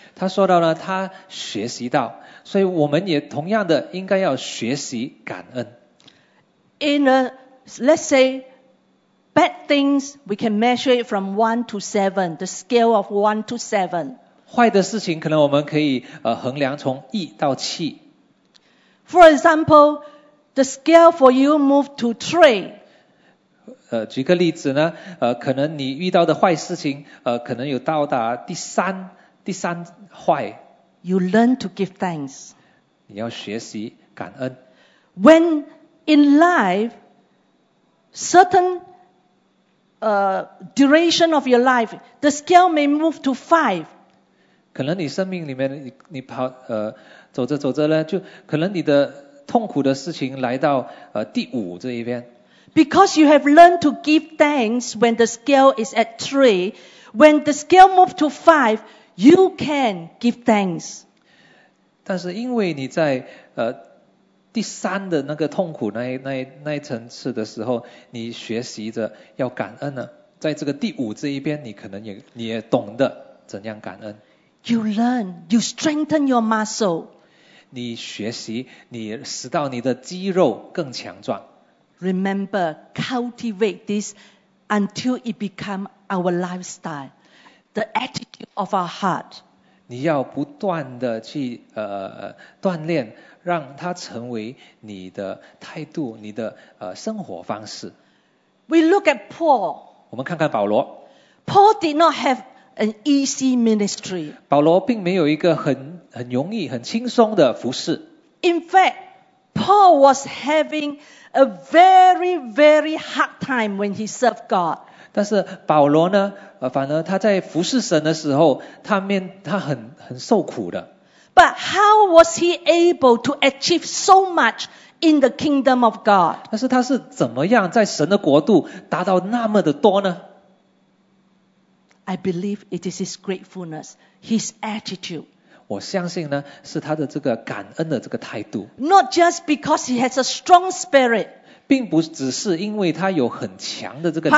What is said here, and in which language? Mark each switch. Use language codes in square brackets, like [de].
[zh] 他说到了，他学习到，所以我们也同样的应该要学习感恩。 [en] In a, let's say, bad things, we can measure it from 1 to 7, the scale of 1 to 7. [zh] 坏的事情可能我们可以衡量从1到7。 [en] For example, the scale for you moved to 3. [zh] 举个例子呢，可能你遇到的坏事情，可能有到达第三坏。 [en] You learn to give thanks. [zh] 你要学习感恩。 [en] When in life, certain duration of your life, the scale may move to 5. [zh] 可能你生命里面，你跑走着走着呢，就可能你的痛苦的事情来到第5这一边。 [en] Because you have learned to give thanks when the scale is at 3, when the scale moves to 5, you can give thanks. [zh] 但是因为你在第三的那个痛苦那一层次的时候，你学习着要感恩了。在这个第五这一边，你可能也懂得怎样感恩。 [en] You learn, you strengthen your muscle. [zh] 你学习，你使到你的肌肉更强壮。 [en] Remember, cultivate this until it becomes our lifestyle, the attitude of our heart. [zh] 你要不断的去锻炼，让它成为你的态度，你的生活方式。 [en] We look at Paul. [zh] 我们看看保罗。 [en] Paul did not have an easy ministry. [zh] 保罗并没有一个很容易、很轻松的服事。 [en] In fact, Paul was having a very, very hard time when he served God. [zh] 但是保罗呢，反而他在服侍神的时候，他很受苦的。 [en] But how was he able to achieve so much in the kingdom of God? [zh] 但是他是怎么样在神的国度达到那么的多呢？ [en] I believe it is his gratefulness, his attitude. [zh] 我相信呢，是他的这个感恩的这个态度。 [en] Not just because he has a strong spirit. [zh] 并不只是因为他有很强的这个灵。